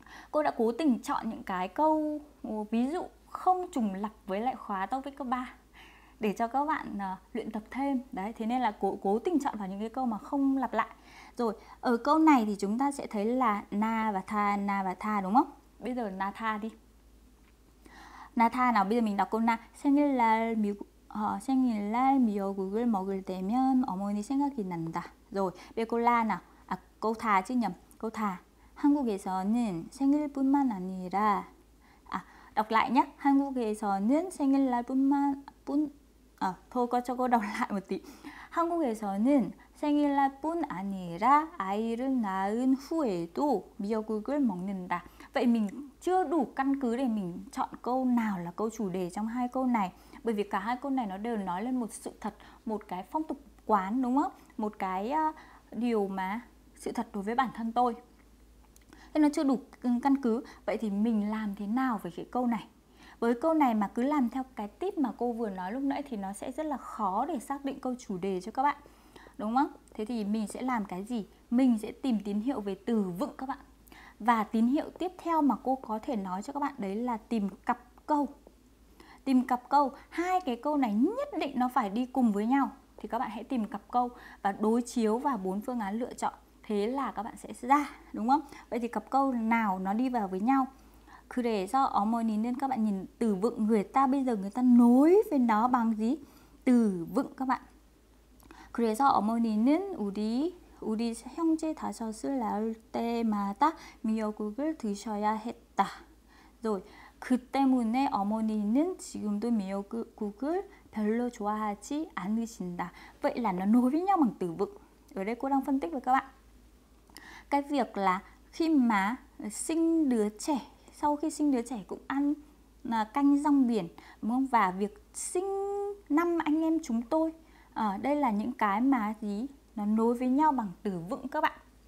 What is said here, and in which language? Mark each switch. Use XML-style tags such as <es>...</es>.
<vi>Cô đã cố tình chọn những cái câu ví dụ không trùng lặp với lại khóa topic cấp 3 để cho các bạn luyện tập thêm. Đấy, thế nên là cố tình chọn vào những cái câu mà không lặp lại. Rồi, ở câu này thì chúng ta sẽ thấy là na và tha đúng không? Bây giờ na tha đi. Na tha nào, bây giờ mình đọc câu na.</vi> <ko>생일날 미국 생일날 미역국을 먹을 때면 어머니 생각이 난다.</ko> <vi>Rồi, bây giờ câu la nào. À, câu tha chứ nhầm. Câu tha.</vi> <ko>한국에서는 생일뿐만 아니라</ko> <vi>đọc lại nhé.</vi> <ko>한국에서는 생일날뿐만 뿐</ko> <vi>à, thôi coi cho cô đọc lại một tí.</vi> <ko>한국에서는 생일날뿐 아니라 아이를 낳은 후에도 미역국을 먹는다.</ko> <vi>Vậy mình chưa đủ căn cứ để mình chọn câu nào là câu chủ đề trong hai câu này, bởi vì cả hai câu này nó đều nói lên một sự thật, một cái phong tục quán đúng không, một cái điều mà sự thật đối với bản thân tôi. Thế nó chưa đủ căn cứ. Vậy thì mình làm thế nào với cái câu này? Với câu này mà cứ làm theo cái tip mà cô vừa nói lúc nãy thì nó sẽ rất là khó để xác định câu chủ đề cho các bạn, đúng không? Thế thì mình sẽ làm cái gì? Mình sẽ tìm tín hiệu về từ vựng các bạn. Và tín hiệu tiếp theo mà cô có thể nói cho các bạn đấy là tìm cặp câu. Tìm cặp câu, hai cái câu này nhất định nó phải đi cùng với nhau. Thì các bạn hãy tìm cặp câu và đối chiếu vào bốn phương án lựa chọn. Thế là các bạn sẽ ra, đúng không? Vậy thì cặp câu nào nó đi vào với nhau?</vi> <ko>그래서 어머니는,</ko> <vi>nên các bạn nhìn từ vựng người ta bây giờ người ta nối với nó bằng gì? Từ vựng các bạn.</vi> <ko>그래서 어머니는 우리 형제 다섯을 낳을 때마다 미역국을 드셔야 했다. Rồi, 그 때문에 어머니는 지금도 미역국을 별로 좋아하지 않으신다.</ko> <vi>Vậy là nó nối với nhau bằng từ vựng. Ở đây cô đang phân tích với các bạn cái việc là khi mà sinh đứa trẻ, sau khi sinh đứa trẻ cũng ăn canh rong biển đúng không? Và việc sinh năm anh em chúng tôi, đây là những cái mà gì, nó nối với nhau bằng từ vựng các bạn.</vi>